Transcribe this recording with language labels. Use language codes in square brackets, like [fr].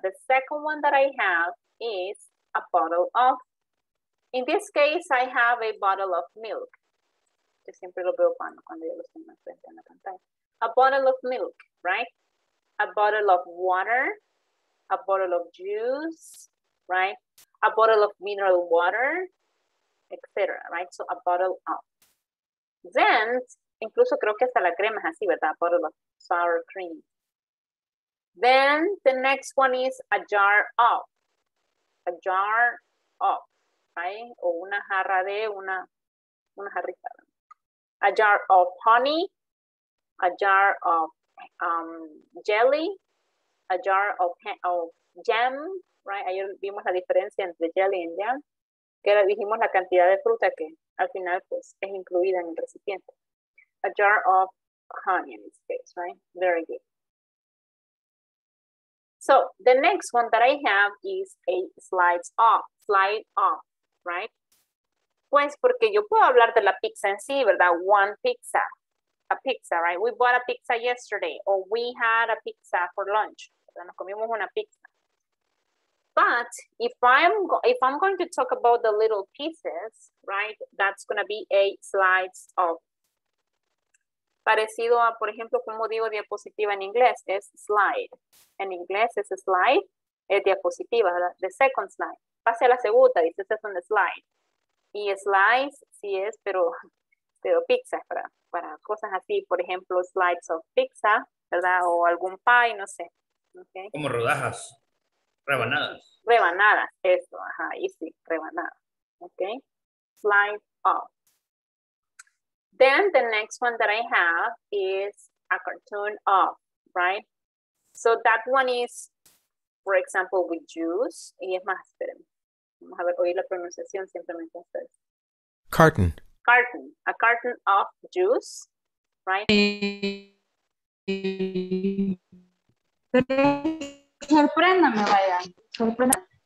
[en] The second one that I have is a bottle of. In this case, I have a bottle of milk. [es] Yo siempre lo veo cuando yo lo estoy más frente en la pantalla. [en] A bottle of milk, right? A bottle of water. A bottle of juice, right? A bottle of mineral water, etc. Right? So a bottle of. [es] Then, incluso creo que hasta la crema es así, ¿verdad? [en] A bottle of sour cream. Then the next one is a jar of. A jar of. Right? [es] O una jarra de, una jarrita. [en] A jar of honey, a jar of jelly, a jar of jam, right? [es] Ayer vimos la diferencia entre [en] jelly and jam, [es] que era, dijimos la cantidad de fruta que al final pues es incluida en el recipiente. [en] A jar of honey in this case, right? Very good. So the next one that I have is a slice of. Right? [es] Pues porque yo puedo hablar de la pizza en sí, ¿verdad? [en] One pizza. A pizza, right? We bought a pizza yesterday. Or we had a pizza for lunch. ¿Verdad? [es] Nos comimos una pizza. [en] But if I'm going to talk about the little pieces, right? That's going to be a slice of. [es] Parecido a, por ejemplo, como digo diapositiva en inglés, es slide. En inglés es slide, es diapositiva, ¿verdad? [en] The second slide. [es] Pase a la segunda, dice, este es un slide. Y slice, sí es, pero pizza es para cosas así. Por ejemplo, [en] slides of pizza, [es] ¿verdad? O algún pie, no sé. Okay. Como rodajas, rebanadas. Rebanadas, eso, ajá, y sí, rebanadas. Ok, [en] slide of. Then the next one that I have is a cartoon of, right? So that one is, for example, with juice. [es] Y es más, espérenme. Vamos a ver, oír la pronunciación simplemente ustedes. [en] Carton. Carton. A carton of juice, right? [es] Sorpréndame, vaya. Sorpréndame.